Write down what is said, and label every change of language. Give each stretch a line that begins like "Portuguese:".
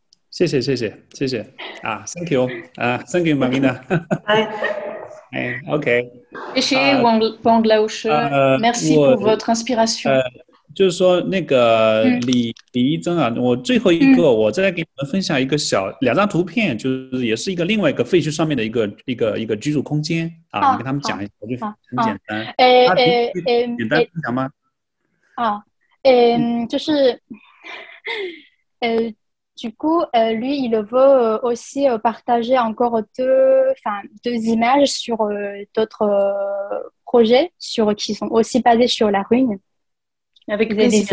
Chinese: 谢谢谢谢谢谢啊 ，
English: Thank you 啊 ，Thank you Marina，
Chinese: 哎 ，OK，谢谢王王老师 ，
French: Merci pour votre inspiration。
Chinese: 就是说那个李一真啊，我最后一个我再给你们分享一个小两张图片，就是也是一个另外一个废墟上面的一个居住空间啊，你跟他们讲一下，我就很简单，简单分享吗？
French: 就是Du coup, lui, il veut aussi partager encore deux images sur d'autres projets qui sont aussi basés sur la ruine. Avec des